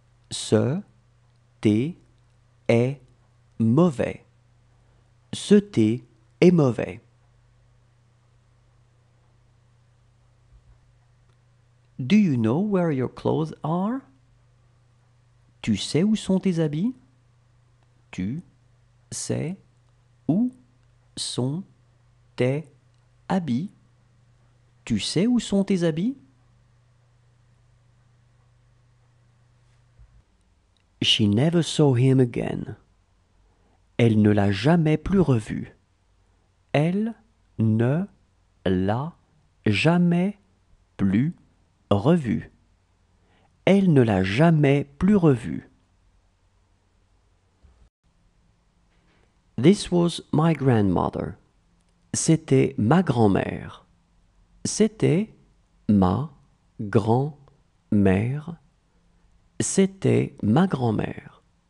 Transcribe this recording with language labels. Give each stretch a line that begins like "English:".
French: Ce thé est mauvais. Ce thé est mauvais.
English: Do you know where your clothes are?
French: Tu sais où sont tes habits? Tu sais où sont tes habits? Tu sais où sont tes habits?
English: She never saw him again.
French: Elle ne l'a jamais plus revu. Elle ne l'a jamais plus revu. Elle ne l'a jamais plus revu.
English: This was my grandmother.
French: C'était ma grand-mère. C'était ma grand-mère. C'était ma grand-mère.